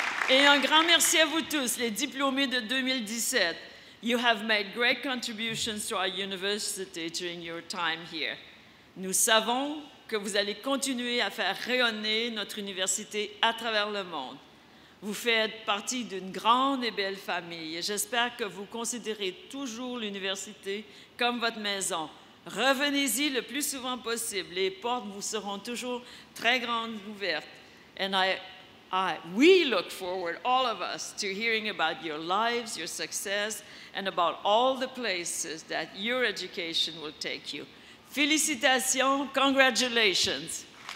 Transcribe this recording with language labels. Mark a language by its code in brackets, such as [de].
[fr] Et un grand merci à vous tous, les diplômés de 2017. [en] You have made great contributions to our university during your time here. [fr] Nous savons que vous allez continuer à faire rayonner notre université à travers le monde. Vous faites partie d'une grande et belle famille. J'espère que vous considérez toujours l'université comme votre maison. Revenez-y le plus souvent possible. Les portes vous seront toujours très grandes ouvertes. [en] And we look forward, all of us, to hearing about your lives, your success, and about all the places that your education will take you. [fr] Félicitations, [en] congratulations.